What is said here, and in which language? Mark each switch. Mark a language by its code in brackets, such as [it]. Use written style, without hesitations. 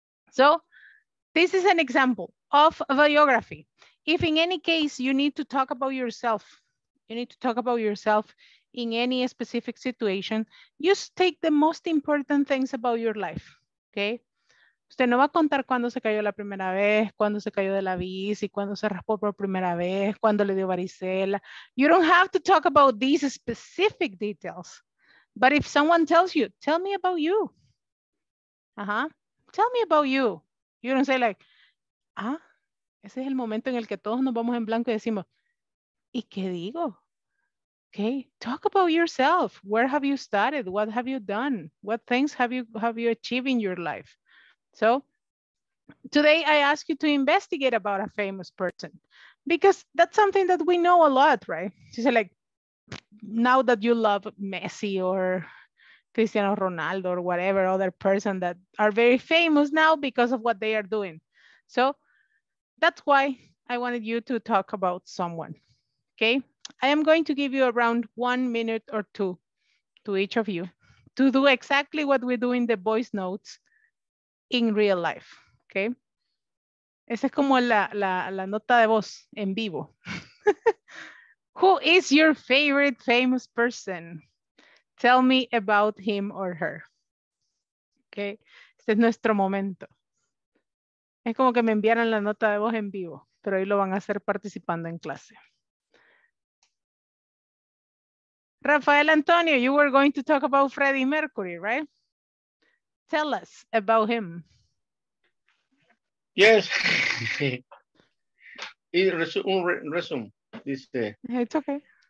[en] So this is an example of a biography. If in any case you need to talk about yourself, you need to talk about yourself in any specific situation, just take the most important things about your life, okay? [es] Usted no va a contar cuándo se cayó la primera vez, cuándo se cayó de la bici, cuándo se raspó por primera vez, cuándo le dio varicela. [en] You don't have to talk about these specific details. But if someone tells you, tell me about you. Uh-huh. Tell me about you. You don't say like, [es] ah, ese es el momento en el que todos nos vamos en blanco y decimos, ¿y qué digo? [en] Okay, talk about yourself. Where have you started? What have you done? What things have you achieved in your life? So today I ask you to investigate about a famous person because that's something that we know a lot, right? She said like, now that you love Messi or Cristiano Ronaldo or whatever other person that are very famous now because of what they are doing. So that's why I wanted you to talk about someone, okay? I am going to give you around 1 minute or two to each of you to do exactly what we do in the voice notes in real life, okay? [es] Esa es como la nota de voz en vivo. [en] Who is your favorite famous person? Tell me about him or her. Okay, [es] este es nuestro momento. Es como que me enviaran la nota de voz en vivo, pero ahí lo van a hacer participando en clase. [en] Rafael Antonio, you were going to talk about Freddie Mercury, right? Tell us about him. Yes. [es] Resume. Dice, [en] it's okay.